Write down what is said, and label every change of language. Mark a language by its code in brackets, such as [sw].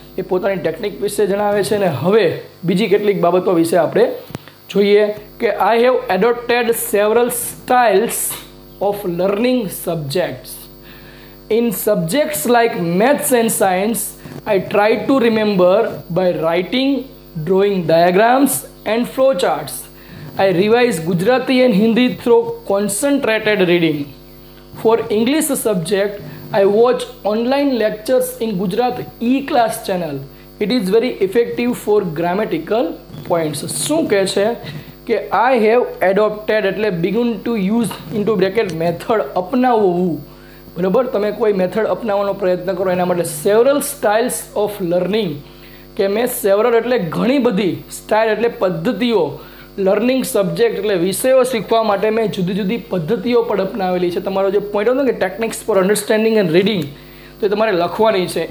[gu] એ પોતાની ટેકનિક વિશે જણાવે છે. અને હવે બીજી કેટલીક બાબતો વિશે આપણે જોઈએ કે [en] I have adopted several styles of learning subjects. In subjects like maths and science I try to remember by writing drawing diagrams and flow charts. I revise Gujarati and Hindi through concentrated reading. For English subject I watch online lectures in Gujarat e-class channel. It is very effective for grammatical points. [gu] શું કહે છે કે [en] I have adopted એટલે begun to use into bracket method અપનાવવું. [gu] બરાબર, તમે કોઈ method અપનાવવાનો પ્રયત્ન કરો એના માટે [en] several styles of learning. [gu] કે મેં several એટલે ઘણી બધી, style એટલે પદ્ધતિઓ, લર્નિંગ સબ્જેક્ટ એટલે વિષયો શીખવા માટે મેં જુદી જુદી પદ્ધતિઓ પણ અપનાવેલી છે. તમારો જે પોઈન્ટ હતો ને કે [en] techniques for understanding and reading, [gu] તો એ તમારે લખવાની છે.